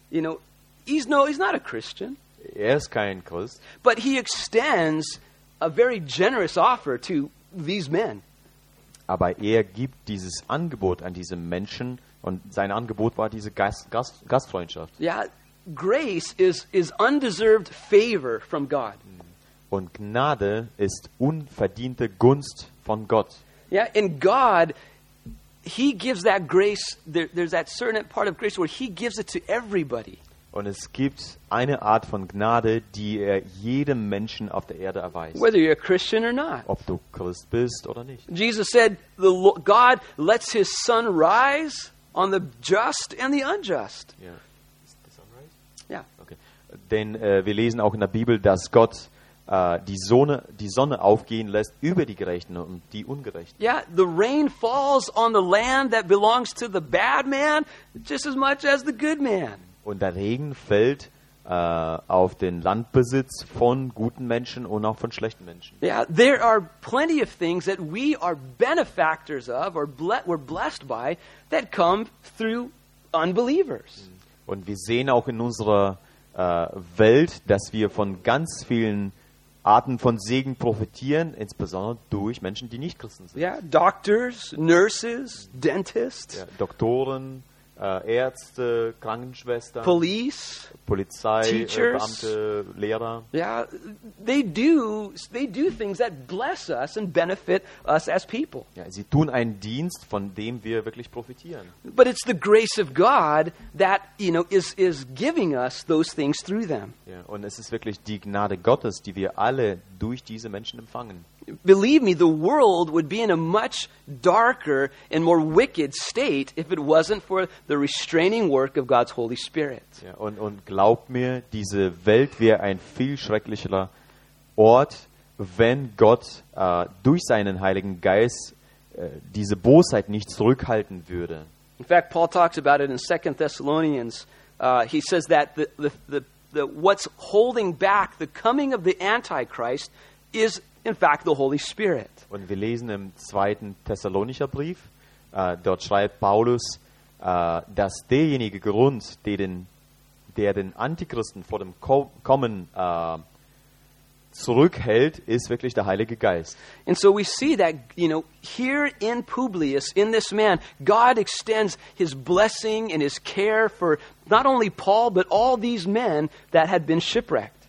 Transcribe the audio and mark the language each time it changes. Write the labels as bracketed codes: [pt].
[en] You know, he's not a Christian. [de] Er ist kein Christ. [en] But he extends a very generous offer to these men. [de] Aber er gibt dieses Angebot an diese Menschen und sein Angebot war diese Gastfreundschaft. [en] Ja, grace is undeserved favor from God. [de] Und Gnade ist unverdiente Gunst von Gott. [en] Ja, in God he gives that grace, there's that certain part of grace where he gives it to everybody. [de] Und es gibt eine Art von Gnade, die er jedem Menschen auf der Erde erweist. [en] Whether you're a Christian or not. [de] Ob du Christ bist oder nicht. [en] Jesus said, God lets his sun rise on the just and the unjust. Yeah. Is the sun rise? Yeah. Okay. [de] Denn wir lesen auch in der Bibel, dass Gott die Sonne aufgehen lässt über die Gerechten und die Ungerechten. [en] Yeah, the rain falls on the land that belongs to the bad man just as much as the good man. [de] Und der Regen fällt auf den Landbesitz von guten Menschen und auch von schlechten Menschen. [en] Yeah, there are plenty of things that we are benefactors of or we're blessed by that come through unbelievers. [de] Und wir sehen auch in unserer Welt, dass wir von ganz vielen Arten von Segen profitieren, insbesondere durch Menschen, die nicht Christen sind. [en] Yeah, doctors, nurses, dentists. [de] Ja, Doktoren, Ärzte, Krankenschwestern, [en] Police, [de] Polizei, [en] teachers, [de] Beamte, Lehrer. [en] Yeah, they do things that bless us and benefit us as people. [de] Ja, sie tun einen Dienst, von dem wir wirklich profitieren. [en] But it's the grace of God that, you know, is giving us those things through them. [de] Ja, und es ist wirklich die Gnade Gottes, die wir alle durch diese Menschen empfangen. [en] Believe me, the world would be in a much darker and more wicked state if it wasn't for the restraining work of God's Holy Spirit. [de] Ja, und glaub mir, diese Welt wäre ein viel schrecklicherer Ort, wenn Gott durch seinen Heiligen Geist diese Bosheit nicht zurückhalten würde. [en] In fact, Paul talks about it in 2 Thessalonians. He says that the what's holding back the coming of the Antichrist is in fact the Holy Spirit. [de] Und wir lesen im 2. Thessalonicher Brief, dort schreibt Paulus, dass derjenige Grund, der den Antichristen vor dem Kommen zurückhält, ist wirklich der Heilige Geist. [en] And so we see that, you know, here in Publius, in this man, God extends his blessing and his care for not only Paul, but all these men that had been shipwrecked.